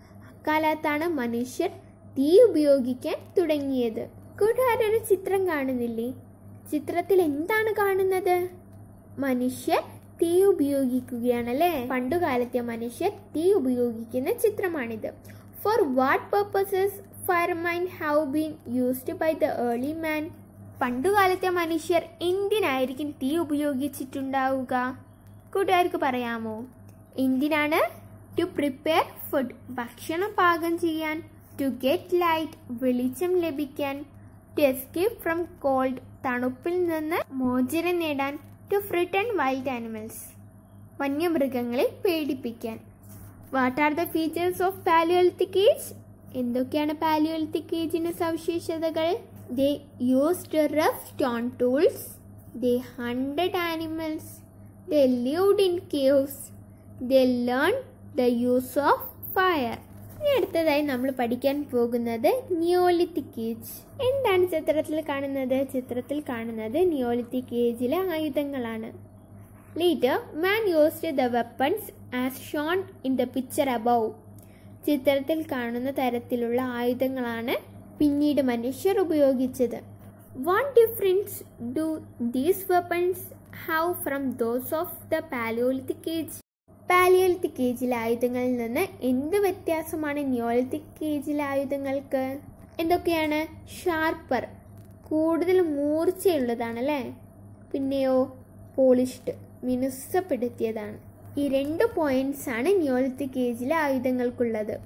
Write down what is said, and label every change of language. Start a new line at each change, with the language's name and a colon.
Malayalam: അക്കാലത്താണ് മനുഷ്യർ തീ ഉപയോഗിക്കാൻ തുടങ്ങിയത്. കൂടാരൊരു ചിത്രം കാണുന്നില്ലേ? ചിത്രത്തിൽ എന്താണ് കാണുന്നത്? മനുഷ്യർ തീ ഉപയോഗിക്കുകയാണല്ലേ. പണ്ടുകാലത്തെ മനുഷ്യർ തീ ഉപയോഗിക്കുന്ന ചിത്രമാണിത്.
English: For what purposes firemen have been used by the early man?
Malayalam: പണ്ടുകാലത്തെ മനുഷ്യർ എന്തിനായിരിക്കും തീ ഉപയോഗിച്ചിട്ടുണ്ടാവുക? കൂട്ടുകാർക്ക് പറയാമോ എന്തിനാണ്?
English: to prepare food,
Malayalam: ഭക്ഷണം പാകം ചെയ്യാൻ.
English: to get light,
Malayalam: വെളിച്ചം ലഭിക്കാൻ.
English: to escape from cold,
Malayalam: തണുപ്പിൽ നിന്ന് മോചനം നേടാൻ.
English: to frighten wild animals,
Malayalam: വന്യമൃഗങ്ങളെ പേടിപ്പിക്കാൻ.
English: What are the features of palaeolithic age?
Malayalam: എന്തൊക്കെയാണ് പാലിയോളിത്തിക് ഏജിന് സവിശേഷതകൾ?
English: They used rough stone tools. They hunted animals. They lived in caves. They learned the use of fire.
Malayalam: ഇനി അടുത്തതായി നമ്മൾ പഠിക്കാൻ പോകുന്നത് നിയോളിത്തിക് ഏജ്. എന്താണ് ചിത്രത്തിൽ കാണുന്നത്? ചിത്രത്തിൽ കാണുന്നത് Neolithic ഏജിലെ ആയുധങ്ങളാണ്.
English: Later, man used the weapons as shown in the picture above.
Malayalam: ചിത്രത്തിൽ കാണുന്ന തരത്തിലുള്ള ആയുധങ്ങളാണ് പിന്നീട് മനുഷ്യർ ഉപയോഗിച്ചത്.
English: What difference do these weapons have from those of the Paleolithic Age?
Malayalam: Palaeolithic ഏജിലെ ആയുധങ്ങളിൽ നിന്ന് എന്ത് വ്യത്യാസമാണ് നിയോളിത്തിക് ഏജിലെ ആയുധങ്ങൾക്ക്? എന്തൊക്കെയാണ്? ഷാർപ്പർ, കൂടുതൽ മൂർച്ചയുള്ളതാണല്ലേ. പിന്നെയോ പോളിഷ്ഡ്, മിനുസപ്പെടുത്തിയതാണ്. ഈ രണ്ട് പോയിന്റ്സ് ആണ് നിയോളിത്തിക് ഏജിലെ ആയുധങ്ങൾക്കുള്ളത്.